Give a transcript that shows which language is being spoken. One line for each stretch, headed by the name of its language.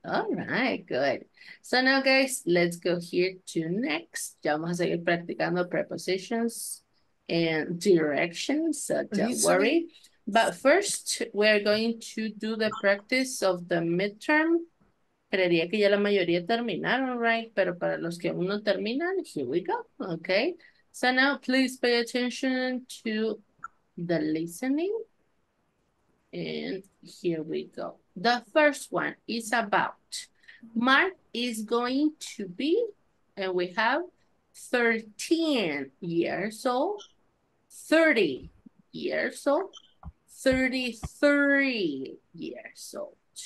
English: All right, good. So now, guys, let's go here to next.
Spanish: Ya vamos a seguir practicando
English: prepositions and directions, so don't worry. But first, we're going to do the practice of the midterm.
Spanish: Creería que ya la mayoría terminaron, right? Pero para los que aún no terminan,
English: here we go, okay? So now, please pay attention to the listening. And here we go. The first one is about. Mark is going to be, and we have 13 years old, 30 years old, 33 years old.